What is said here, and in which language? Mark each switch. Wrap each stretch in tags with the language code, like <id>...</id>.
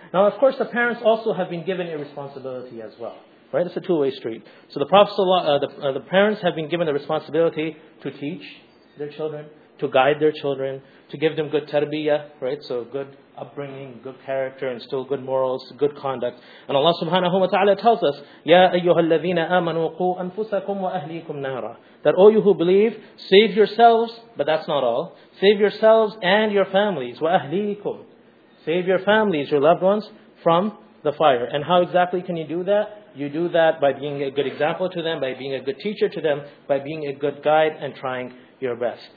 <en>Now, of course, the parents also have been given a responsibility as well. Right? It's a two-way street. So the Prophet the parents have been given the responsibility to teach their children, to guide their children, to give them good tarbiyah, right? So good upbringing, good character, and still good morals, good conduct. And Allah subhanahu wa ta'ala tells us,</en> <ar>يَا أَيُّهَا الَّذِينَ آمَنُوا قُوا أَنفُسَكُمْ وَأَهْلِيكُمْ نَارًا.</ar> <en>That all you who believe, save yourselves, but that's not all. Save yourselves and your families.</en> <ar>وَأَهْلِيكُمْ.</ar> <en>Save your families, your loved ones, from the fire. And how exactly can you do that? You do that by being a good example to them, by being a good teacher to them, by being a good guide and trying your best.</en>